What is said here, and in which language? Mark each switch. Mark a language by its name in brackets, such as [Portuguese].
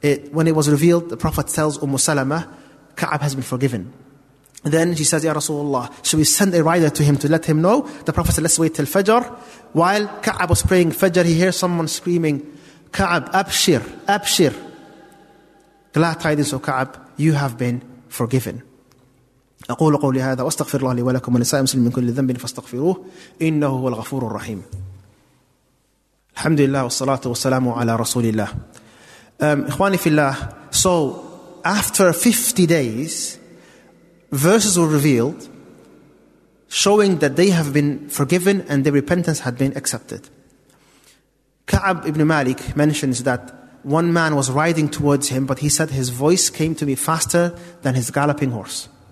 [English] When it was revealed, the Prophet tells Umm Salama, Ka'ab has been forgiven. Then she says, Ya Rasulullah, should we send a rider to him to let him know? The Prophet said, let's wait till Fajr. While Ka'ab was praying Fajr, he hears someone screaming, Ka'ab, Abshir, Abshir. Glad tidings, O Ka'ab, you have been forgiven. [Arabic] أقول قولي هذا واستغفر الله لي ولكم ولسائر المسلمين من كل ذنب فاستغفروه إنه هو الغفور الرحيم. الحمد لله والصلاة والسلام على رسول الله. إخواني في الله, [English] so after 50 days, verses were revealed showing that they have been forgiven and their repentance had been accepted. Ka'ab ibn Malik mentions that one man was riding towards him, but he said, his voice came to me faster than his galloping horse.